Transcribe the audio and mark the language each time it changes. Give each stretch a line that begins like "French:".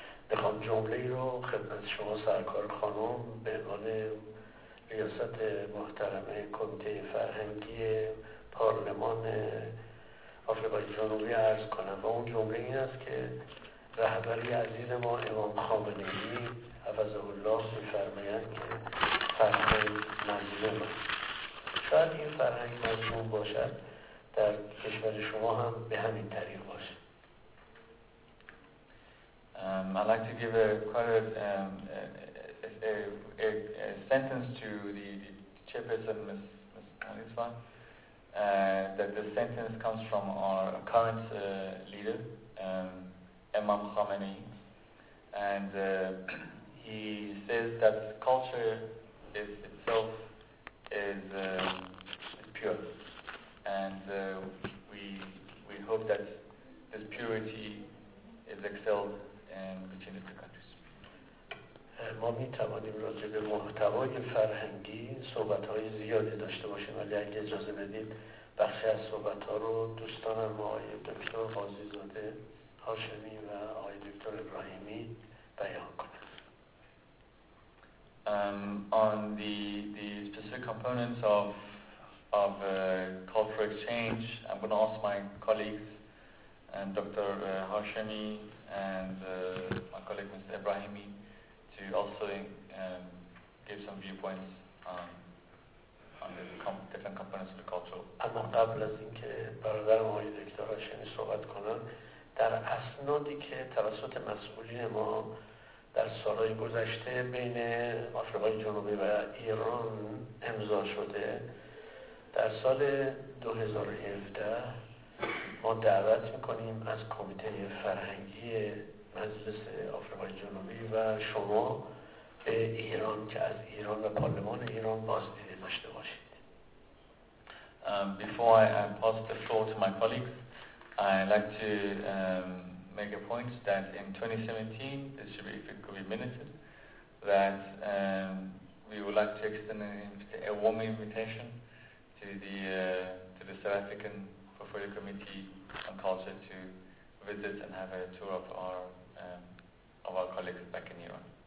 Persian: The خانم جمله ای رو خدمت شما سرکار خانم به عنوان ریاست محترمه کمیته فرهنگی پارلمان آفریقای جنوبی عرض کنم، و اون جمله این است که رهبری عزیز ما امام خامنه‌ای حفظه الله می‌فرمایند که فرهنگ مظلوم است. شاید این فرهنگ مظلوم باشد در کشور شما هم به همین طریق باشد.
English: I'd like to give a sentence to the chairperson, Ms. Khalifa, that this sentence comes from our current leader, Imam Khamenei, and he says that culture is itself is pure, and we hope that this purity is excelled in between the two countries.
Persian: ما می توانیم راجع به محتوای فرهنگی صحبت های زیادی داشته باشیم، ولی اگه اجازه بدید بخشی از صحبت ها رو دوستانم آقای دکتر غازی زاده هاشمی و آقای دکتر ابراهیمی بیان کنند.
English: On the specific components of cultural exchange, I'm going to ask my colleagues and Dr. Hashemi and my colleague Mr. Ibrahimi to also give some viewpoints on the different components of the cultural.
Persian: اما قبل از اینکه برادرم آقای دکتر هاشمی صحبت کنن، در اسنادی که توسط مسئولین ما در سالهای گذشته بین آفریقای جنوبی و ایران امضا شده، در سال 2017 ما دعوت میکنیم از کمیته فرهنگی مجلس آفریقای جنوبی و شما به ایران که از ایران و پارلمان ایران بازدید داشته باشید.
English: Before I pass the floor to my colleagues, I'd like to make a point that in 2017, this should be, if it could be minuted, that we would like to extend a warm invitation to the South African Portfolio Committee on Culture to visit and have a tour of our colleagues back in Iran.